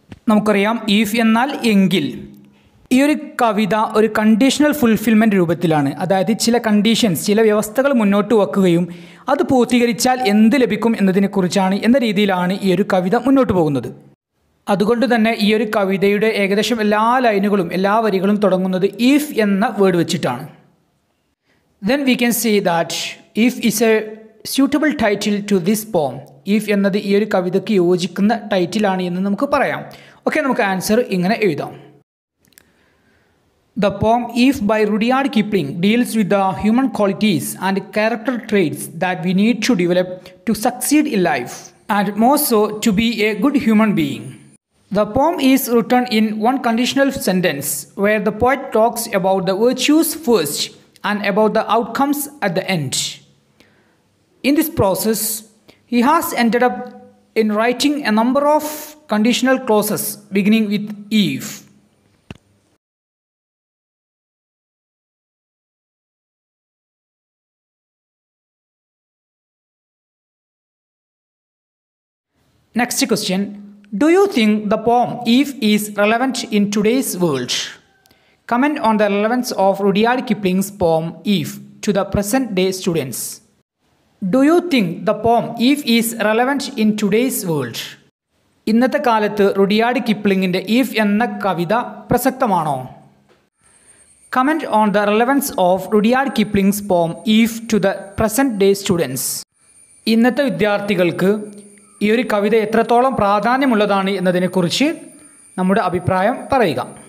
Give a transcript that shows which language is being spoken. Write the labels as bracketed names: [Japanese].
[Malayalam] നമുക്കറിയാം ഈഫ് എന്നാൽ എങ്കിൽ. ഈ ഒരു കവിത ഒരു കണ്ടീഷണൽ ഫുൾഫിൽമെൻറ്റ് രൂപത്തിലാണ്, അതായത് ചില കണ്ടീഷൻസ് ചില വ്യവസ്ഥകൾ മുന്നോട്ട് വയ്ക്കുകയും അത് പൂർത്തീകരിച്ചാൽ എന്ത് ലഭിക്കും എന്നതിനെക്കുറിച്ചാണ് എന്ന രീതിയിലാണ് ഈ ഒരു കവിത മുന്നോട്ട് പോകുന്നത്. അതുകൊണ്ട് തന്നെ ഈ ഒരു കവിതയുടെ ഏകദേശം എല്ലാ ലൈനുകളും എല്ലാ വരികളും തുടങ്ങുന്നത് ഇഫ് എന്ന വേർഡ് വെച്ചിട്ടാണ്. [English] Then we can see that if is a suitable title to this poem. [Malayalam] If എന്നത് ഈ ഒരു കവിതയ്ക്ക് യോജിക്കുന്ന ടൈറ്റിലാണ് എന്ന് നമുക്ക് പറയാം. ഓക്കെ, നമുക്ക് ആൻസർ ഇങ്ങനെ എഴുതാം. [English] The poem If by Rudyard Kipling deals with the human qualities and character traits that we need to develop to succeed in life and more so to be a good human being. The poem is written in one conditional sentence where the poet talks about the virtues first and about the outcomes at the end. In this process, he has ended up in writing a number of conditional clauses beginning with if. Next question, do you think the poem If is relevant in today's world? Comment on the relevance of Rudyard Kipling's poem If to the present day students. Do you think the poem If is relevant in today's world? [Malayalam] ഇന്നത്തെ കാലത്ത് Rudyard കിപ്ലിംഗിൻ്റെ if എന്ന കവിത പ്രസക്തമാണോ? [English] Comment on the relevance of Rudyard Kipling's poem if to the present day students. [Malayalam] ഇന്നത്തെ വിദ്യാർത്ഥികൾക്ക് ഈ ഒരു കവിത എത്രത്തോളം പ്രാധാന്യമുള്ളതാണ് എന്നതിനെക്കുറിച്ച് നമ്മുടെ അഭിപ്രായം പറയുക.